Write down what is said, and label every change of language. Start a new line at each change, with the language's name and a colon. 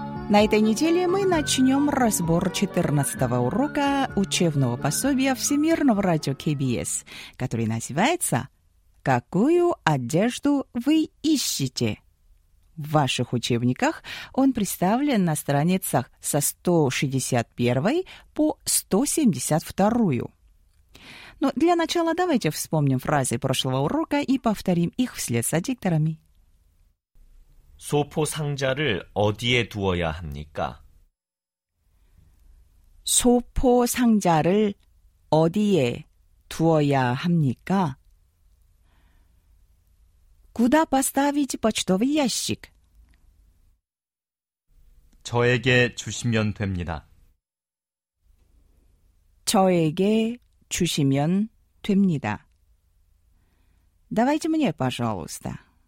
Russian: На этой неделе мы начнем разбор 14-го урока учебного пособия Всемирного радио КБС, который называется «Какую одежду вы ищете?». В ваших учебниках он представлен на страницах со 161 по 172. Но для начала давайте вспомним фразы прошлого урока и повторим их вслед за дикторами.
Korean: 소포 상자를 어디에 두어야 합니까? 소포 상자를 어디에 두어야 합니까?
Russian: Куда поставить почтовый ящик?
Korean: 저에게 주시면 됩니다. 저에게 주시면 됩니다.
Russian: Давайте мне, пожалуйста.